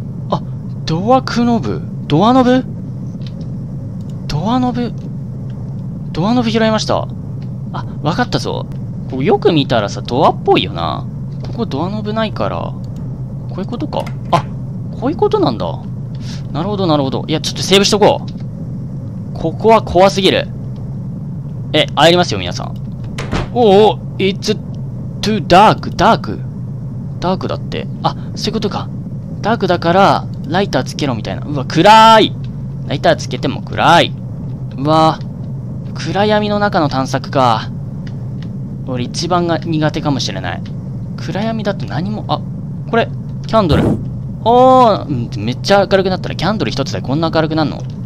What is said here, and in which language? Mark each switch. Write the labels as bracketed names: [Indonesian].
[Japanese] あ、ドアクノブ。ドアノブ?ドアノブ?ドアノブ拾いました。あ、わかったぞ。ここよく見たらさ、ドアっぽいよな。ここドアノブないから。こういうことか。あ、こういうことなんだ。なるほどなるほど。いや、ちょっとセーブしとこう。ここは怖すぎる。え、入りますよ皆さん。おお、 [English] It's too dark. [Japanese] ダークダークだって。あ、そういうことか。ダークだからライターつけろみたいな。うわ、暗ーい。ライターつけても暗ーい。うわー、暗闇の中の探索か。俺一番が苦手かもしれない。暗闇だって何も。あ、これキャンドル。おー、めっちゃ明るくなったら、キャンドル一つでこんな明るくなるの?